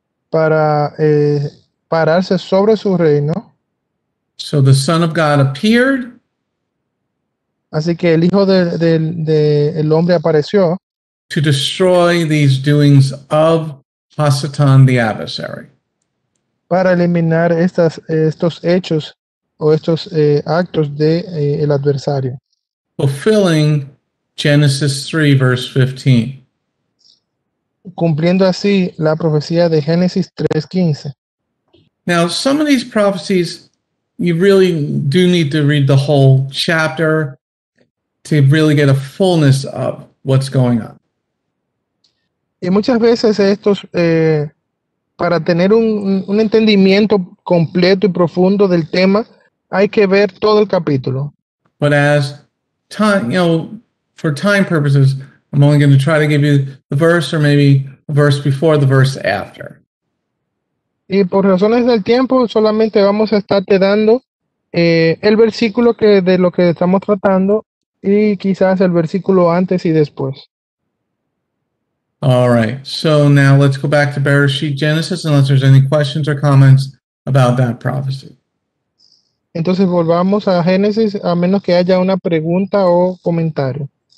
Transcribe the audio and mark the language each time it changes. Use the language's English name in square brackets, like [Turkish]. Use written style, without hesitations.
[Spanish] Para pararse sobre su reino. [English] So the Son of God appeared. [Spanish] Así que el Hijo del Hombre apareció. [English] To destroy these doings of Hasatan the adversary. [Spanish] Para eliminar estos hechos o estos actos de el adversario. [English] Fulfilling Genesis 3 verse 15. [Spanish] Cumpliendo así la profecía de Génesis 3:15. [English] Now, some of these prophecies, you really do need to read the whole chapter to really get a fullness of what's going on. [Spanish] Y muchas veces estos, para tener un entendimiento completo y profundo del tema, hay que ver todo el capítulo. [English] But as time, for time purposes, I'm only going to try to give you the verse or maybe a verse before the verse after. [Spanish] Y por razones del tiempo, solamente vamos a estarte dando el versículo de lo que estamos tratando y quizás el versículo antes y después. [English] All right. So now let's go back to Bereshit Genesis unless there's any questions or comments about that prophecy. [Spanish] Entonces volvamos a Génesis a menos que haya una pregunta o comentario.